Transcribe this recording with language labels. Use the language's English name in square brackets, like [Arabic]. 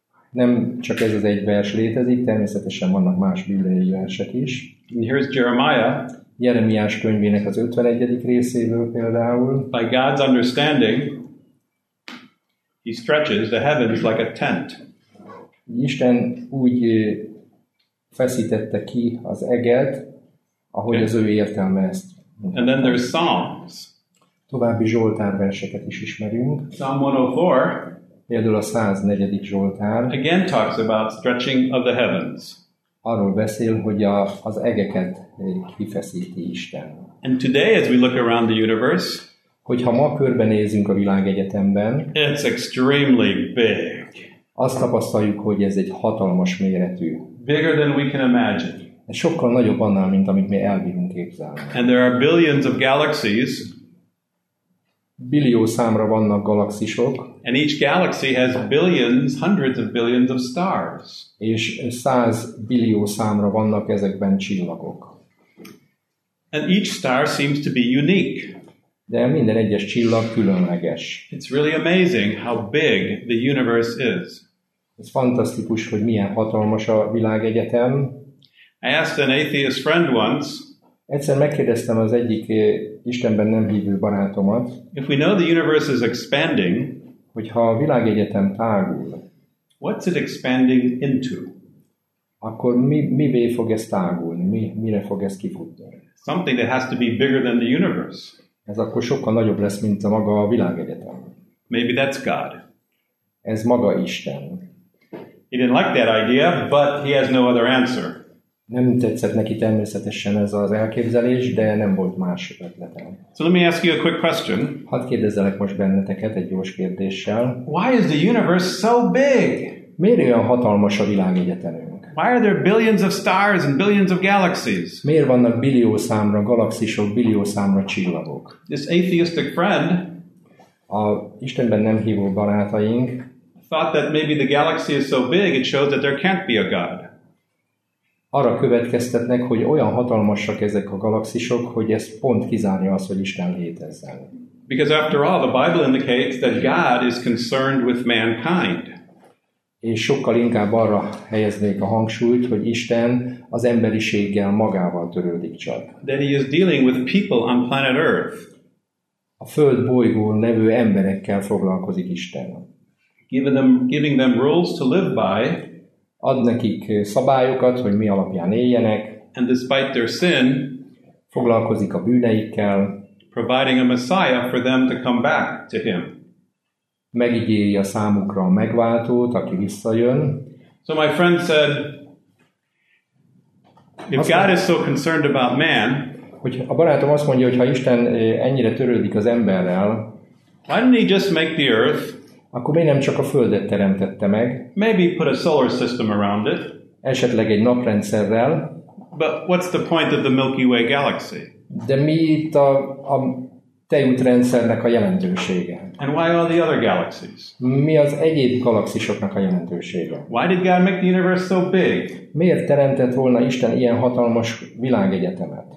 [Hungarian] Nem csak ez az egy vers létezik, természetesen vannak más bibliai versek is. [English] And here's Jeremiah. [Hungarian] Jeremiás könyvének az 51. részéből például. [English] By God's understanding, he stretches the heavens like a tent. [Hungarian] Isten úgy feszítette ki az eget, ahogy az ő értelme ezt. [English] And then there's Psalms. [Hungarian] További Zsoltár verseket is ismerünk. [English] Psalm 104. [Hungarian] Például a 104. Zsoltár. [English] Again talks about stretching of the heavens. [Hungarian] Arról beszél, hogy az egeket kifeszíti Isten. [English] And today as we look around the universe, [Hungarian] hogyha ma körbenézünk a világegyetemben, [English] it's extremely big. [Hungarian] Azt tapasztaljuk, hogy ez egy hatalmas méretű. [English] Bigger than we can imagine. [Hungarian] Ez sokkal nagyobb annál, mint amit mi elbírunk képzelni. [English] And there are billions of galaxies. [Hungarian] Billió számra vannak galaxisok. [English] And each galaxy has billions, hundreds of billions of stars. [Hungarian] És 100 billió számra vannak ezekben csillagok. [English] And each star seems to be unique. [Hungarian] De minden egyes csillag különleges. [English] It's really amazing how big the universe is. [Hungarian] Ez fantasztikus, hogy milyen hatalmas a világegyetem. [English] I asked an atheist friend once. [Hungarian] Egyszer megkérdeztem az egyik Istenben nem hívő barátomat. [English] If we know the universe is expanding, [Hungarian] hogyha a világegyetem tágul, [English] what's it expanding into? [Hungarian] Akkor mivé fog ez tágulni? Mire fog ez kifutni? [English] Something that has to be bigger than the universe. [Hungarian] Ez akkor sokkal nagyobb lesz, mint a maga a világegyetem. [English] Maybe that's God. [Hungarian] Ez maga Isten. [English] He didn't like that idea, but he has no other answer. [Hungarian] Nem tetszett neki természetesen ez az elképzelés, de nem volt más ötletem. [English] So let me ask you a quick question. [Hungarian] Hadd kérdezzelek most benneteket egy gyors kérdéssel. [English] Why is the universe so big? [Hungarian] Miért olyan hatalmas a világegyetemünk? [English] Why are there billions of stars and billions of galaxies? [Hungarian] Miért vannak billió számra galaxisok, billió számra csillagok? [English] This atheistic friend. [Hungarian] A Istenben nem hívó barátaink. [English] Thought that maybe the galaxy is so big it shows that there can't be a God. [Hungarian] Arra következtetnek, hogy olyan hatalmasak ezek a galaxisok, hogy ez pont kizárja azt, hogy Isten létezzen. [English] Because after all, the Bible indicates that God is concerned with mankind. [Hungarian] És sokkal inkább arra helyeznék a hangsúlyt, hogy Isten az emberiséggel magával törődik csak. [English] That he is dealing with people on planet Earth. [Hungarian] A Föld bolygón levő emberekkel foglalkozik Isten. [English] Giving them rules to live by. [Hungarian] Ad nekik szabályokat, hogy mi alapján éljenek. [English] And despite their sin, [Hungarian] foglalkozik a bűneikkel. [English] Providing a Messiah for them to come back to him. [Hungarian] Megígéri a számukra a megváltót, aki visszajön. [English] So my friend said, if God is so concerned about man, [Hungarian] hogy a barátom azt mondja, hogy ha Isten ennyire törődik az emberrel, [English] why didn't he just make the earth? [Hungarian] Akkor miért nem csak a Földet teremtette meg? [English] Maybe put a solar system around it. [Hungarian] Esetleg egy naprendszerrel. [English] But what's the point of the Milky Way galaxy? [Hungarian] De mi itt a tejútrendszernek a jelentősége? [English] And why all the other galaxies? [Hungarian] Mi az egyéb galaxisoknak a jelentősége? [English] Why did God make the universe so big? [Hungarian] Miért teremtett volna Isten ilyen hatalmas világegyetemet?